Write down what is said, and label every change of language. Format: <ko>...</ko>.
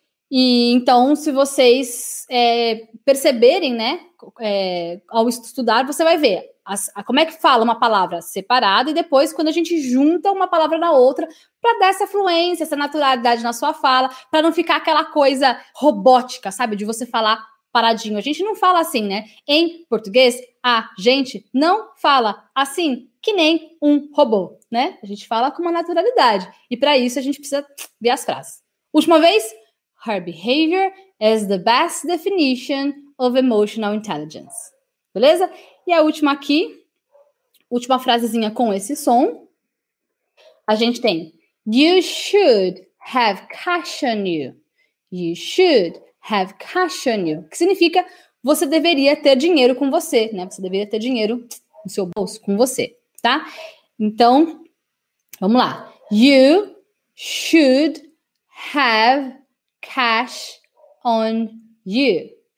<pt>E então, se vocês perceberem, né, ao estudar, você vai ver como é que fala uma palavra separada e depois quando a gente junta uma palavra na outra para dar essa fluência, essa naturalidade na sua fala, para não ficar aquela coisa robótica, sabe, de você falar paradinho. A gente não fala assim, né? Em português, a gente não fala assim, que nem um robô, né? A gente fala com uma naturalidade e para isso a gente precisa ver as frases. Última vez.</pt> <en>Her behavior is the best definition of emotional intelligence.</en> <pt>Beleza? E a última aqui, última frasezinha com esse som. A gente tem:</pt> <en>You should have caution you. You should have caution you.</en> <pt>Que significa você deveria ter dinheiro com você, né? Você deveria ter dinheiro no seu bolso com você, tá? Então, vamos lá.</pt> <en>You should have cash on you.</en>